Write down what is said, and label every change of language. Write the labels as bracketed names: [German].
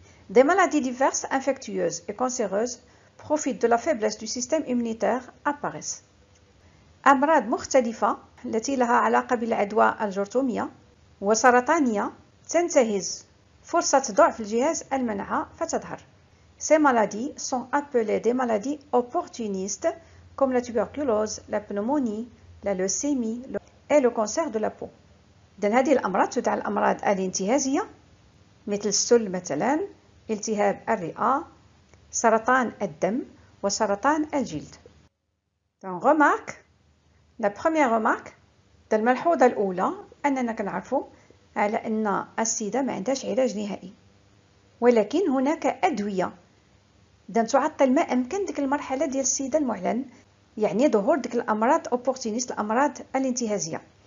[French] Des maladies diverses, infectieuses et cancéreuses profitent de la faiblesse du système immunitaire apparaissent. [Arabic] أمراض مختلفة التي لها علاقة بالعدوى الجرثومية وسرطانية تنتهز فرصة ضعف الجهاز المناعة فتظهر. [French] Ces maladies sont appelées des maladies opportunistes comme la tuberculose, la pneumonie, la leucémie et le cancer de la peau. Dans [Arabic] هذه الامراض تدعى الامراض الانتهازيه مثل السل مثلا، التهاب الرئه، سرطان الدم وسرطان الجلد. [French] Donc remarque, la première remarque, dans [Arabic] الملحوظه الاولى اننا كنعرفوا على ان السيده ما عندهاش علاج نهائي، ولكن هناك ادويه دان تعطل ما امكن ديك المرحله ديال السيده المعلن، يعني ظهور ديك الامراض اوبورتينيست، الامراض الانتهازيه.